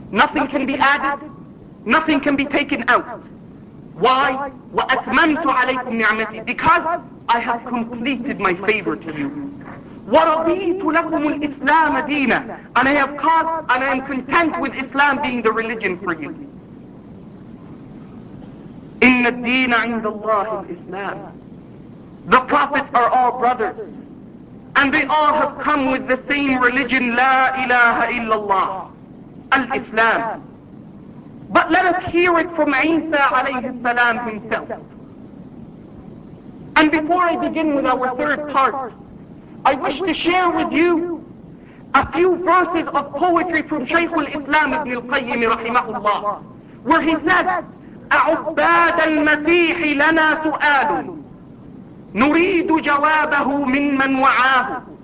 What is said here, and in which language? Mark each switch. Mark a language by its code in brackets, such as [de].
[en] Nothing can be added, nothing can be taken out. Why? [ar] وأتممت عليكم نعمتي, [en] because I have completed my favor to you. [ar] ورضيت لكم الإسلام دينا, [en] and I have caused, and I am content with Islam being the religion for you. [ar] إن الدين عند الله الإسلام. [en] The prophets are all brothers, and they all have come with the same religion, [ar] لا إله إلا الله, الإسلام. [en] But let us hear it from Isa عليه السلام himself. And before I begin with our third part, I wish to share with you a few verses of poetry from Shaykh al-Islam ibn al-Qayyim rahimahullah, where he said, [ar] أعباد المسيح لنا سؤال نريد جوابه من من وعاه